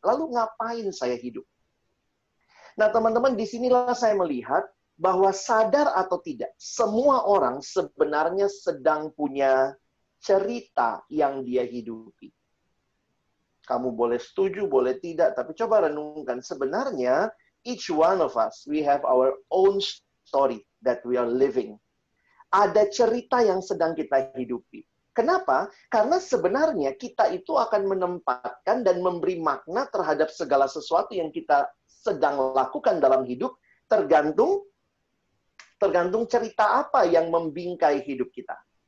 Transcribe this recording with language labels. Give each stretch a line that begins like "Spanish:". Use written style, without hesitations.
Indonesian: Lalu ngapain saya hidup? Nah teman-teman, disinilah saya melihat bahwa sadar atau tidak, semua orang sebenarnya sedang punya cerita yang dia hidupi. Kamu boleh setuju, boleh tidak, tapi coba renungkan.
English: Sebenarnya, each one of us, we have our own story that we are living.
Indonesian: Ada cerita yang sedang kita hidupi. Kenapa? Karena sebenarnya kita itu akan menempatkan dan memberi makna terhadap segala sesuatu yang kita sedang lakukan dalam hidup tergantung cerita apa yang membingkai hidup kita.